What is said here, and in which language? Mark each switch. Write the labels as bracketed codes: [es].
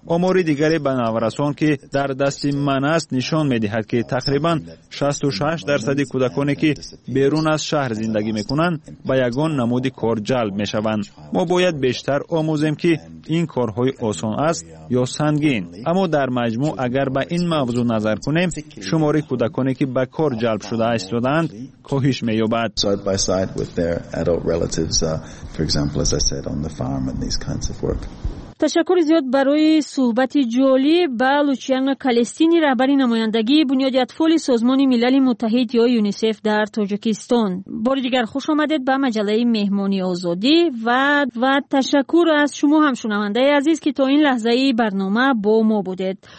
[fa] آمار دیگری به نورسان که در دست من است نشان می‌دهد که تقریبا 66% کودکانی که بیرون از شهر زندگی می‌کنند با یگان نمودی کار جلب می‌شوند. ما باید بیشتر آموزیم که این کارهای آسان است یا سنگین. اما در مجموع اگر به این موضوع نظر کنیم، شماره کودکانی که به کار جلب شده هستند کاهش می‌یابد. [en] Side by side with their adult relatives, for example, as I said, on the farm and these kinds of work. [fa] تشکر زیاد برای صحبت جالی با لوچیانو کالستینی، رهبری نمایندگی بنیاد اطفال سازمان ملل متحد یا یونیسف در تاجیکستان. بار دیگر خوش آمدید به مجله مهمانی آزادی و تشکر از شما هم شنونده عزیز که تا این لحظه برنامه با ما بودید.